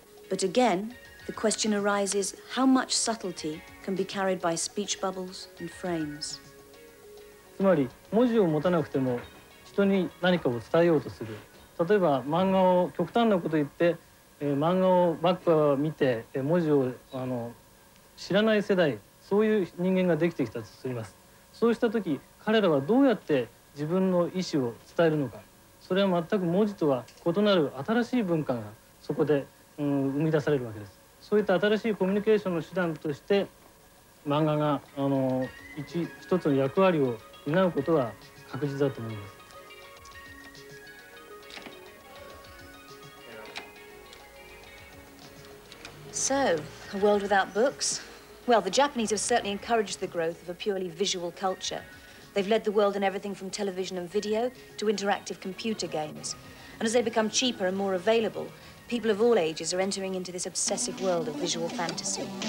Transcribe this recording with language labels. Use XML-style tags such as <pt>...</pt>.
<en>But again, the question arises, how much subtlety can be carried by speech bubbles and frames?</en> <ja>つまり、文字を持たなくても人に何かを伝えようとする。例えば漫画を極端なこと言って、漫画をばっか見て、文字を知らない世代、そういう人間ができてきたとします。そうした時、彼らはどうやって自分の意思を伝えるのか。それは全く文字とは異なる新しい文化がそこで、生み出されるわけです。そういった新しいコミュニケーションの手段として、漫画が一つの役割を担うことは確実だと思います。</ja> <en>So, a world without books? Well, the Japanese have certainly encouraged the growth of a purely visual culture. They've led the world in everything from television and video to interactive computer games. And as they become cheaper and more available, people of all ages are entering into this obsessive world of visual fantasy.</en>